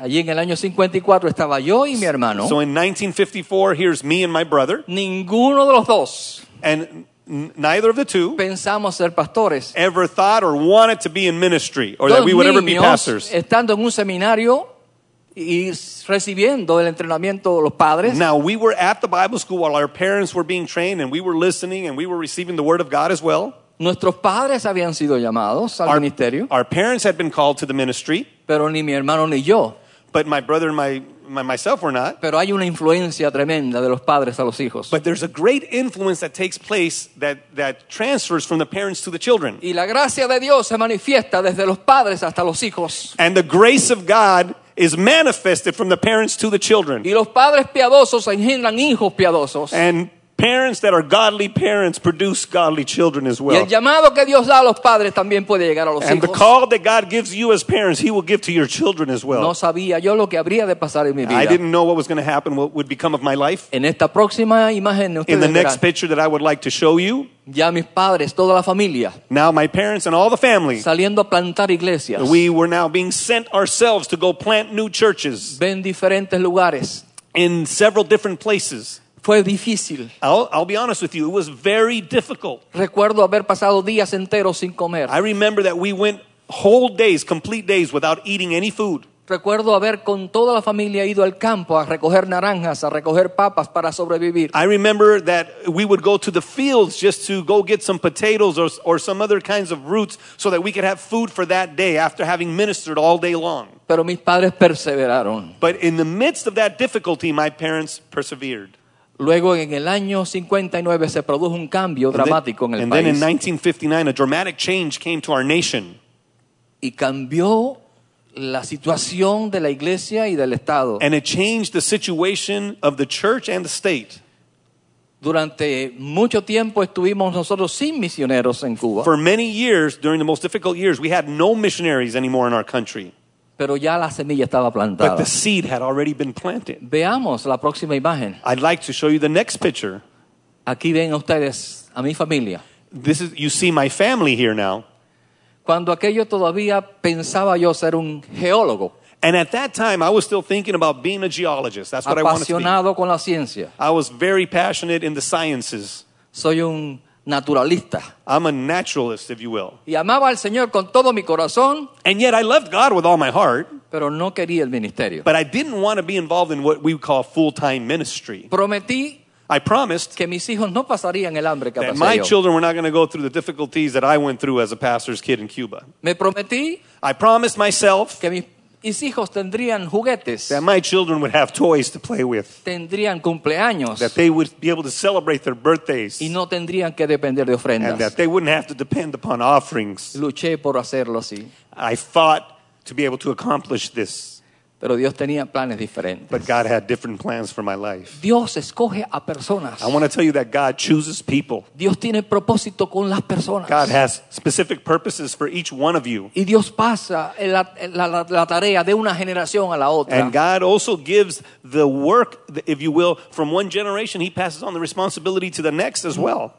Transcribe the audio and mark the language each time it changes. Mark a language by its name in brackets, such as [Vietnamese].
[Spanish] Allí en el año 54 estaba yo y mi hermano. [English] So in 1954, here's me and my brother. [Spanish] Ninguno de los dos. [English] And neither of the two. [Spanish] Pensamos ser pastores. [English] Ever thought or wanted to be in ministry or [Spanish] dos [English] that we would ever be pastors. [Spanish] Estando en un seminario y recibiendo el entrenamiento de los padres. [English] Now we were at the Bible school while our parents were being trained and we were listening and we were receiving the word of God as well. [Spanish] Nuestros padres habían sido llamados al ministerio. [English] Our parents had been called to the ministry. [Spanish] Pero ni mi hermano ni yo. [English] But my brother and myself were not. [Spanish] Pero hay una influencia tremenda de los padres a los hijos. [English] But there's a great influence that takes place that transfers from the parents to the children. [Spanish] Y la gracia de Dios se manifiesta desde los padres hasta los hijos. [English] And the grace of God is manifested from the parents to the children. [Spanish] Y los padres piadosos engendran hijos piadosos. [English] And parents that are godly parents produce godly children as well. [Spanish] Y el llamado que Dios da a los padres también puede llegar a los hijos. [English] And the call that God gives you as parents, he will give to your children as well. [Spanish] No sabía yo lo que habría de pasar en mi vida. [English] I didn't know what was going to happen, what would become of my life. [Spanish] En esta próxima imagen, ustedes [English] in the [Spanish] verán, [English] next picture that I would like to show you, [Spanish] ya mis padres, toda la familia, [English] now my parents and all the family, [Spanish] saliendo a plantar iglesias, [English] we were now being sent ourselves to go plant new churches. [Spanish] Ven diferentes lugares. [English] In several different places. [Spanish] Fue difícil. [English] I'll be honest with you, it was very difficult. [Spanish] Recuerdo haber pasado días enteros sin comer. [English] I remember that we went whole days, complete days, without eating any food. [Spanish] Recuerdo haber con toda la familia ido al campo a recoger naranjas, a recoger papas para sobrevivir. [English] I remember that we would go to the fields just to go get some potatoes or some other kinds of roots so that we could have food for that day after having ministered all day long. [Spanish] Pero mis padres perseveraron. [English] But in the midst of that difficulty, my parents persevered. [Spanish] Luego en el año 59 se produjo un cambio dramático en el país. [English] And then in 1959 a dramatic change came to our nation. [Spanish] Y cambió la situación de la iglesia y del estado. [English] And it changed the situation of the church and the state. [Spanish] Durante mucho tiempo estuvimos nosotros sin misioneros en Cuba. [English] For many years, during the most difficult years, we had no missionaries anymore in our country. [Spanish] Pero ya la semilla estaba plantada. [English] But the seed had already been planted. [Spanish] Veamos la próxima imagen. [English] I'd like to show you the next picture. [Spanish] Aquí ven ustedes a mi familia. [English] This is, you see my family here now. [Spanish] Cuando aquello todavía pensaba yo ser un geólogo. [English] And at that time, I was still thinking about being a geologist. That's what [Spanish] apasionado [English] I wanted to be. [Spanish] Apasionado con la ciencia. [English] I was very passionate in the sciences. [Spanish] Soy un naturalista. [English] I'm a naturalist, if you will. [Spanish] Y amaba al Señor con todo mi corazón. [English] And yet I loved God with all my heart. [Spanish] Pero no quería el ministerio. [English] But I didn't want to be involved in what we call full-time ministry. [Spanish] Prometí. [English] I promised [Spanish] que mis hijos no pasarían el hambre que [English] that [Spanish] pasé [English] my [Spanish] yo. [English] Children were not going to go through the difficulties that I went through as a pastor's kid in Cuba. [Spanish] Me prometí. [English] I promised myself [Spanish] que mis hijos tendrían juguetes. [English] That my children would have toys to play with. [Spanish] Tendrían cumpleaños. [English] That they would be able to celebrate their birthdays. [Spanish] Y no tendrían que depender de ofrendas. [English] And that they wouldn't have to depend upon offerings. [Spanish] Luché por hacerlo así. [English] I fought to be able to accomplish this. [Spanish] Pero Dios tenía planes diferentes. [English] But God had different plans for my life. [Spanish] Dios escoge a personas. [English] I want to tell you that God chooses people. [Spanish] Dios tiene propósito con las personas. [English] God has specific purposes for each one of you. [Spanish] Y Dios pasa la tarea de una generación a la otra. [English] And God also gives the work, if you will, from one generation, he passes on the responsibility to the next as well.